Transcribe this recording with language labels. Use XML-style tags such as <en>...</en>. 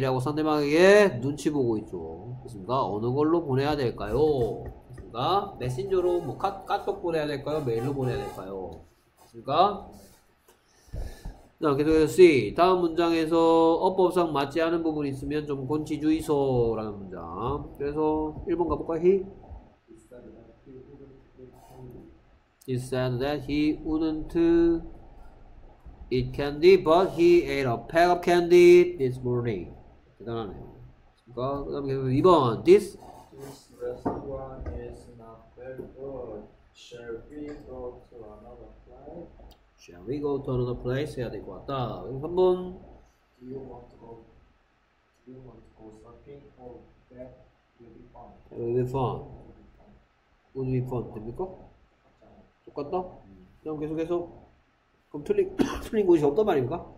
<ko>라고 상대방에게 눈치 보고 있죠. 됐습니까? 어느 걸로 보내야 될까요? 메신저로 뭐 카톡 보내야 될까요? 메일로 보내야 될까요? 맞습니까? 자, 계속해서 C. 다음 문장에서 어법상 맞지 않은 부분이 있으면 좀 곤치주의소라는 문장. 그래서 1번 가볼까요? He?</ko> <en>He said that he wouldn't eat candy, but he ate a pack of candy this morning.</en> <ko>대단하네요. 그러니까 그 다음 계속 2번.</ko> <en>This restaurant is not very good. Shall we go to another place? Shall we go to another place?</en> <ko>해야 될 것 같다. 그럼 한번</ko> <en>Do you want to go shopping or that will be fun? That will be fun. Would be fun</en> <ko>됩니까? 똑같다? 그럼 계속해서 그럼 틀린 곳이 없단 말입니까?</ko>